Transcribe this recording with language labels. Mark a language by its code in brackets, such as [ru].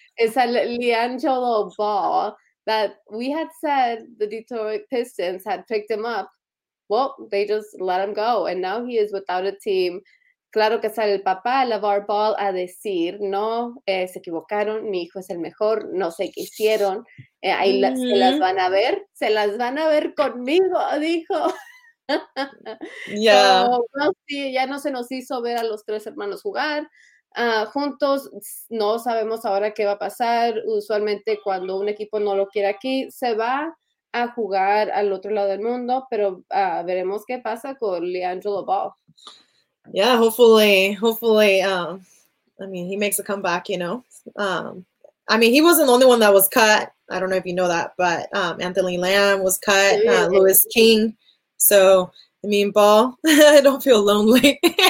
[en] Es al LiAngelo Ball that we had said the Detroit Pistons had picked him up. Well, they just let him go, and now he is without a team. [es] Claro que sale el papá, LaVar Ball, a decir, no, se equivocaron, mi hijo es el mejor, no sé qué hicieron, ahí la, se las van a ver conmigo, dijo. [en] Yeah. [es] Pero no, sí, ya no se nos hizo ver a los tres hermanos jugar juntos, no sabemos ahora qué va a pasar. Usualmente cuando un equipo no lo quiere aquí, se va a jugar al otro lado del mundo, pero veremos qué pasa con LiAngelo Ball. [en] Yeah, hopefully, I mean, he makes a comeback, I mean, he wasn't the only one that was cut. I don't know if you know that, but Anthony Lamb was cut, Louis King. So, I mean, Ball, don't feel lonely.